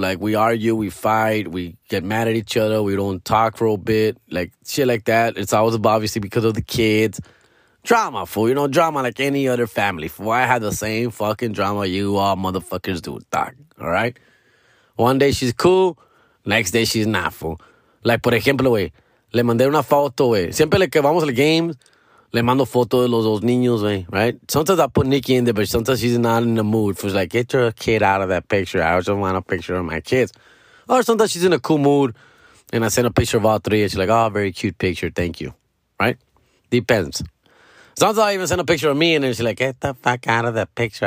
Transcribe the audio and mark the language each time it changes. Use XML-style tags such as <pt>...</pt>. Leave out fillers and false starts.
<en>Like, we argue, we fight, we get mad at each other, we don't talk for a bit. Like, shit like that. It's always obviously because of the kids. Drama, fool. You know, drama like any other family. Fool, I have the same fucking drama you all motherfuckers do, doc. All right? One day she's cool, next day she's not, fool.</en> <es>Like, por ejemplo, wey, le mandé una foto, wey. Siempre le que vamos al game. Le mando foto de los dos niños, man, right?</es> <en>Sometimes I put Nikki in there, but sometimes she's not in the mood. She's like, get your kid out of that picture. I just want a picture of my kids. Or sometimes she's in a cool mood, and I send a picture of all three, and she's like, oh, very cute picture, thank you, right? Depends. Sometimes I even send a picture of me, and then she's like, get the fuck out of that picture.</en>